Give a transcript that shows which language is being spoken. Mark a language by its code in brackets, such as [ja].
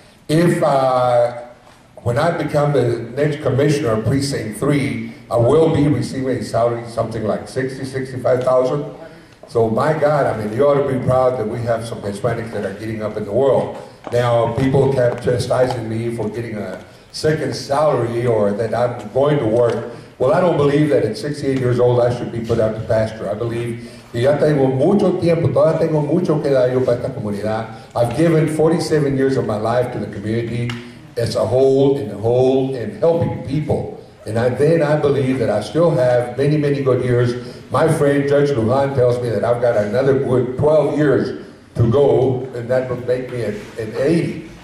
[en] If when I become the next commissioner of Precinct 3, I will be receiving a salary something like $60,000, $65,000. So my God, I mean, you ought to be proud that we have some Hispanics that are getting up in the world. Now, people kept chastising me for getting a second salary or that I'm going to work. Well, I don't believe that at 68 years old, I should be put out to pasture. I believe [es] que ya tengo mucho tiempo, todavía tengo mucho que dar yo para esta comunidad. [en] I've given 47 years of my life to the community as a whole and helping people. And then I believe that I still have many, many good years. My friend Judge Lujan tells me that I've got another good 12 years to go, and that would make me an 80.